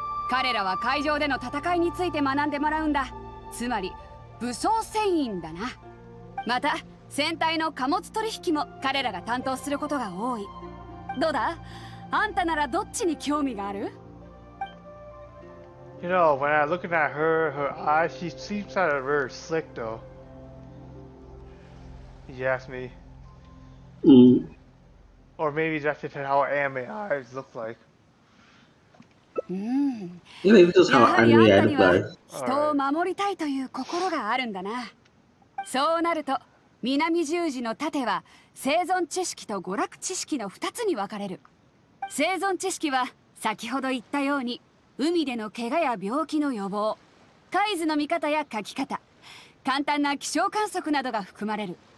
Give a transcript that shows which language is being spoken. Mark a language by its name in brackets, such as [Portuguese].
[Japanese] 彼らは海上での戦いについて学んでもらうんだ。つまり武装船員だな。また船体の貨物取引も彼らが担当することが多い。どうだ？あんたならどっちに興味がある？ [English] You know, when I look at her, her eyes, she seems kind of very slick though. You ask me. Or maybe that's just how anime eyes look like. Maybe it's just how anime eyes look like. [Japanese] 人を守りたいという心があるんだな。そうなると、南十字の盾は生存知識と娯楽知識の2つに分かれる。生存知識は、先ほど言ったように、海での怪我や病気の予防、海図の見方や書き方、簡単な気象観測などが含まれる。